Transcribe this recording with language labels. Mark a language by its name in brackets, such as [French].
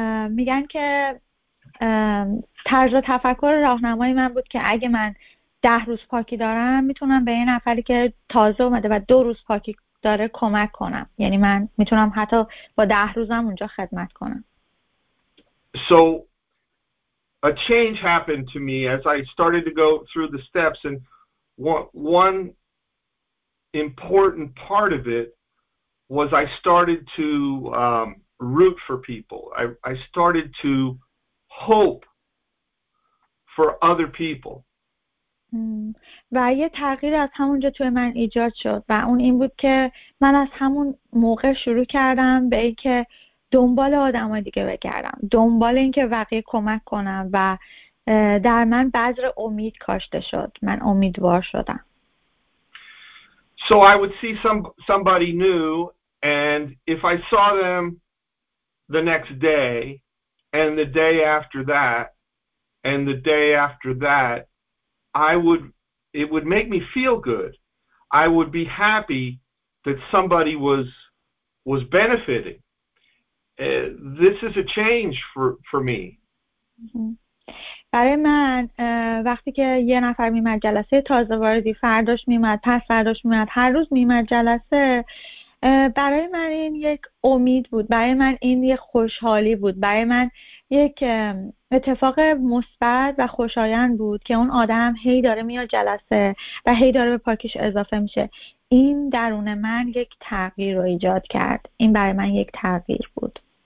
[Persian] میگن که طرز تفکر راهنمای من بود که اگه من 10 روز پاکی دارم میتونم به این نفری که تازه اومده و 2 روز پاکی داره کمک کنم، یعنی من میتونم حتی با 10 روزم اونجا خدمت کنم. [English] So a change happened to me as I started to go through the steps, and one important part of it was I started to root for people. I started to hope for other people. [Persian] و یه تغییر از همونجا توی من ایجاد شد و اون این بود که من از همون موقع شروع کردم به این که دنبال آدم های دیگه بگردم، دنبال این که بقیه کمک کنم و در من بذر امید کاشته شد، من امیدوار شدم. [English] So I would see somebody new and if I saw them the next day and the day after that and the day after that it would make me feel good. I would be happy that somebody was benefiting. This is a change for me. [Persian] برای من وقتی که یه نفر میمد جلسه تازه واردی فرداش میمد پس فرداش میمد هر روز میمد جلسه برای من این یک امید بود برای من این یک خوشحالی بود برای من یک اتفاق مثبت و خوشایند بود که اون آدم هی داره میاد جلسه و هی داره به پاکش اضافه میشه این درون من یک تغییر رو ایجاد کرد این برای من یک تغییر بود